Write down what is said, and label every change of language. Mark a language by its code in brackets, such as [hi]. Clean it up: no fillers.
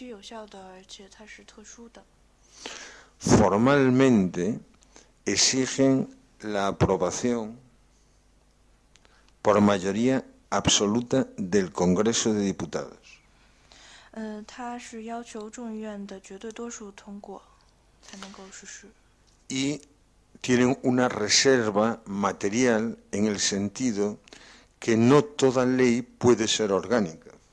[zh] 它的这个特点或者说它的特性是说它是长期有效的，而且它是特殊的。 [es] Formalmente exigen la aprobación por mayoría absoluta del Congreso de Diputados. [zh] 它是要求众议院的绝对多数通过才能够实施。 [es] Y tienen una reserva material en el sentido que no toda ley puede ser orgánica.